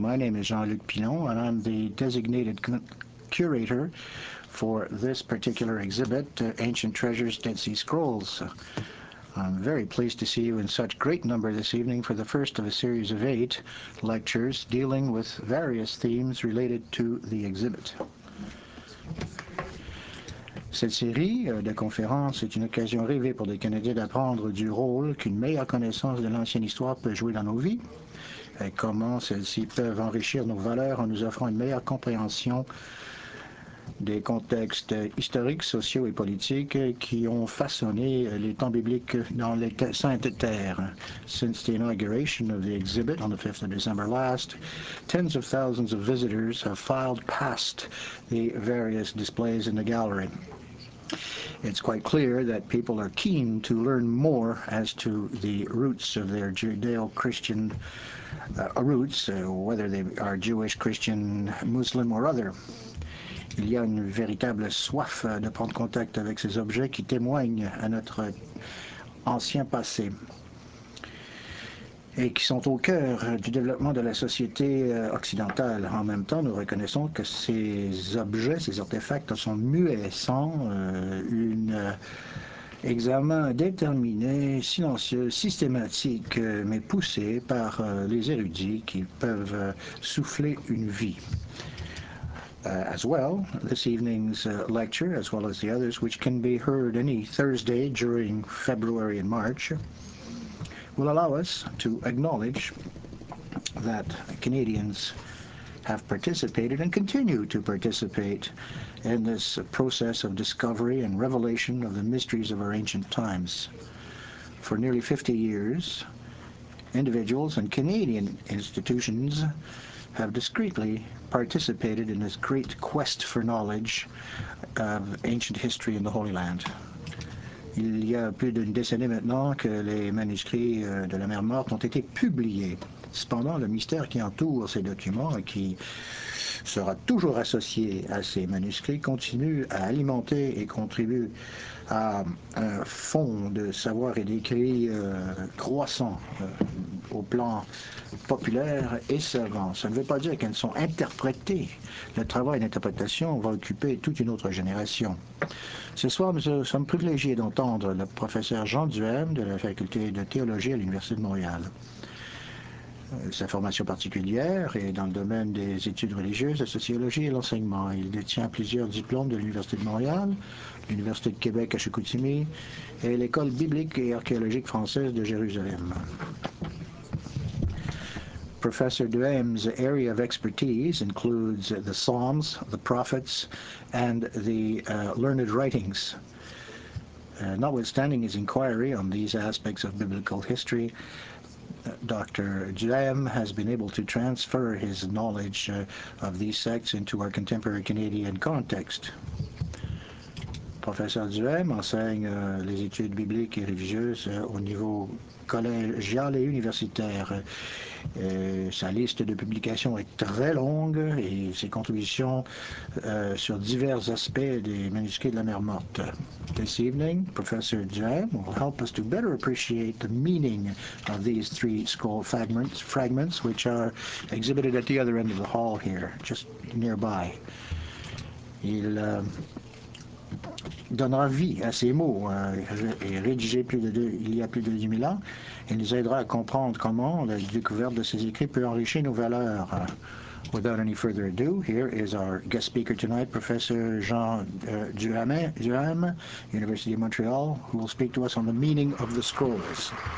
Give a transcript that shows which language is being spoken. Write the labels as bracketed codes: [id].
[en] My name is Jean-Luc Pilon, and I'm the designated curator for this particular exhibit, Ancient Treasures, Dead Sea Scrolls. I'm very pleased to see you in such great number this evening for the first of a series of 8 lectures dealing with various themes related to the exhibit. [fr] Cette série de conférences est une occasion rêvée pour des Canadiens d'apprendre du rôle qu'une meilleure connaissance de l'ancienne histoire peut jouer dans nos vies et comment celles-ci peuvent enrichir nos valeurs en nous offrant une meilleure compréhension des contextes historiques, sociaux et politiques qui ont façonné les temps bibliques dans les Saintes Terres. [en] Since the inauguration of the exhibit on the 5th of December last, tens of thousands of visitors have filed past the various displays in the gallery. It's quite clear that people are keen to learn more as to the roots of their Judeo-Christian roots, whether they are Jewish, Christian, Muslim or other. [fr] Il y a une véritable soif de prendre contact avec ces objets qui témoignent à notre ancien passé et qui sont au cœur du développement de la société occidentale. En même temps, nous reconnaissons que ces objets, ces artefacts sont muets sans un examen déterminé, silencieux, systématique, mais poussé par les érudits qui peuvent souffler une vie. [en] As well, this evening's lecture, as well as the others, which can be heard any Thursday during February and March, will allow us to acknowledge that Canadians have participated and continue to participate in this process of discovery and revelation of the mysteries of our ancient times. For nearly 50 years, individuals and Canadian institutions have discreetly participated in this great quest for knowledge of ancient history in the Holy Land. [fr] Il y a plus d'une décennie maintenant que les manuscrits de la Mer Morte ont été publiés. Cependant, le mystère qui entoure ces documents et qui sera toujours associé à ces manuscrits continue à alimenter et contribue à un fond de savoir et d'écrit croissant au plan populaire et savant. Ça ne veut pas dire qu'elles sont interprétées. Le travail d'interprétation va occuper toute une autre génération. Ce soir, nous sommes privilégiés d'entendre le professeur Jean Duhem de la Faculté de théologie à l'Université de Montréal. Sa formation particulière est dans le domaine des études religieuses, la sociologie et l'enseignement. Il détient plusieurs diplômes de l'Université de Montréal, l'Université de Québec à Chicoutimi et l'École biblique et archéologique française de Jérusalem. [en] Professor Duhem's area of expertise includes the Psalms, the Prophets, and the learned writings. Notwithstanding his inquiry on these aspects of biblical history, Dr. Duhem has been able to transfer his knowledge of these sects into our contemporary Canadian context. [fr] Professor Duhem enseigne les études bibliques et religieuses au niveau collégial et universitaire. Sa liste de publications est très longue et ses contributions sur divers aspects des manuscrits de la Mer Morte. [en] This evening, Professor Duhem will help us to better appreciate the meaning of these 3 scroll fragments which are exhibited at the other end of the hall here, just nearby. [fr] Il donnera vie à ces mots rédigés il y a plus de 2000 ans et nous aidera à comprendre comment la découverte de ces écrits peut enrichir nos valeurs. [en] Without any further ado, here is our guest speaker tonight, Professor Jean Duhem, University of Montreal, who will speak to us on the meaning of the scrolls.